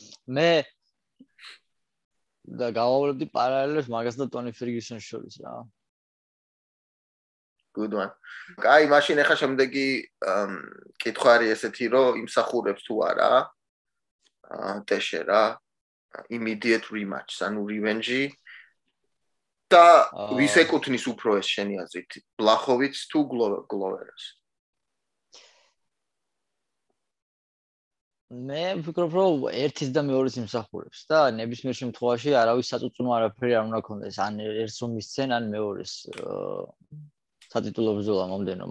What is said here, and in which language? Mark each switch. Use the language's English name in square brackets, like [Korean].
[Georgian] მე და გავავლებდი პარალელს მაგას და ტონი ფერგიუსონს შორის რა. [English] Good one. [Georgian] კაი, მაშინ ახლა შემდეგი კითხვა არის ესეთი, რომ იმსახურებს თუ არა ტეშე რა. [English] Immediate rematch, [Georgian] ანუ [English] revenge. [Georgian] და ვის ეკუთვნის უფრო ეს შენი აზრით? ბლახოვიცს თუ გლოვერს? მე ვფიქრობ, რომ ერთის და მეორის იმსახურებს და ნებისმიერ შემთხვევაში არავის საწუწუნო არაფერი არ უნდა ქონდეს, ან ერთს მისცენ, ან მეორეს სატიტულო ბრძოლა მომდენო.